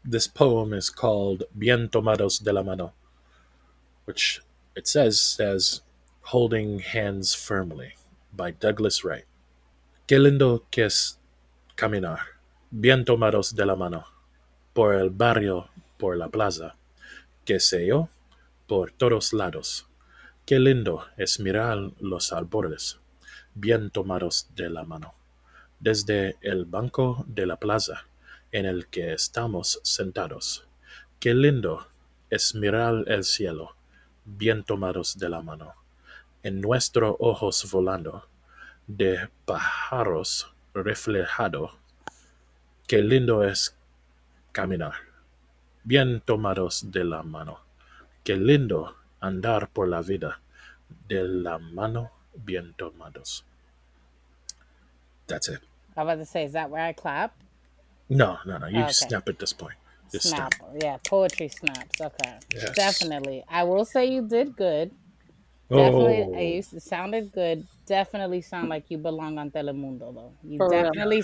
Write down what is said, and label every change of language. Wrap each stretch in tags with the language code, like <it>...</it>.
<en>this poem is called Bien Tomados de la Mano, which it says Holding Hands Firmly by Douglas Wright.</en> <es>Qué lindo que es caminar bien tomados de la mano por el barrio, por la plaza, qué sé yo, por todos lados. Qué lindo es mirar los árboles bien tomados de la mano desde el banco de la plaza en el que estamos sentados. Qué lindo es mirar el cielo bien tomados de la mano en nuestros ojos volando de pájaros reflejado. Qué lindo es caminar bien tomados de la mano. Qué lindo andar por la vida de la mano bien tomados.</es> <en>That's it. I was about to say, is that where I clap? No. You okay. Snap at this point. Snap. Yeah, poetry snaps. Okay. Yes. Definitely. I will say you did good. Definitely. Oh. It sounded good. Definitely sound like you belong on Telemundo, though. You for definitely real.</en>